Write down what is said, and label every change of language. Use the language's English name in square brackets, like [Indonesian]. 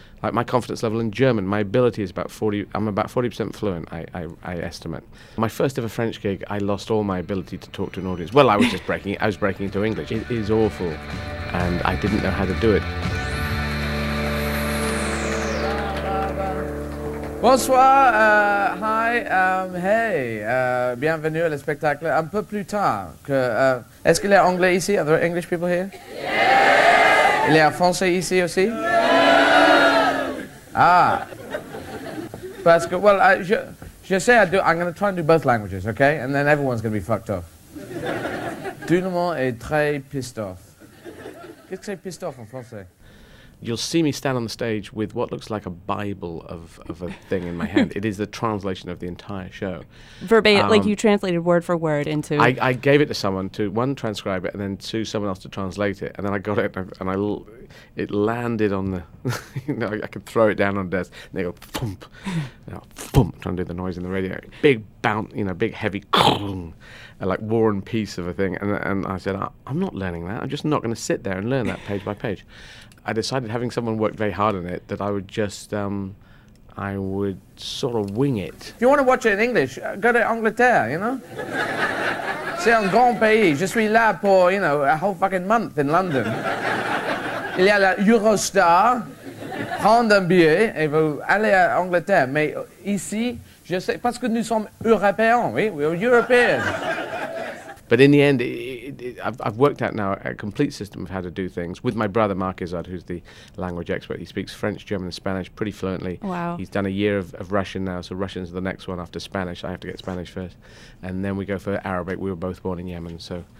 [English] Like my confidence level in German, my ability is about 40. I'm about 40% fluent, I estimate. My first ever French gig, I lost all my ability to talk to an audience. Well, I was just breaking. I was breaking into English. It is awful, and I didn't know how to do it. [French] Bonsoir, [English] hi, hey, [French] bienvenue à le spectacle. Un peu plus tard que. Est-ce qu'il y a anglais ici? [English] Are there English people here? Yeah. [French] Il y a français ici aussi? [English] Yeah. [French] Ah, parce que, [English] well, I'm going to try and do both languages, okay? And then everyone's going to be fucked off. [French] Tout le monde est très [English] pissed off. [French] Qu'est-ce que c'est pissed off en français? [English] You'll see me stand on the stage with what looks like a Bible of a thing in my hand. It is the translation of the entire show. Verbatim, like you translated word for word into... I gave it to someone, to one, transcribe it, and then to someone else to translate it. And then I got it, and it landed on the... You know, I could throw it down on the desk, and they go, thump, you know, thump, trying to do the noise in the radio. Big bounce, you know, big heavy... like War and Peace of a thing. And I said, I'm not learning that. I'm just not going to sit there and learn that page by page. I decided, having someone work very hard on it, that I would just, I would sort of wing it. If you want to watch it in English, go to Angleterre, you know? [French] C'est un grand pays. Je suis là pour, [English] you know, a whole fucking month in London. [French] Il y a la Eurostar. Prendre un billet et vous allez à Angleterre. Mais ici, je sais, parce que nous sommes Européens, oui, [English] we're European. But in the end, I've worked out now a complete system of how to do things with my brother, Marc Izzard, who's the language expert. He speaks French, German, and Spanish pretty fluently. Wow. He's done a year of Russian now, so Russian's the next one after Spanish. I have to get Spanish first. And then we go for Arabic. We were both born in Yemen, so...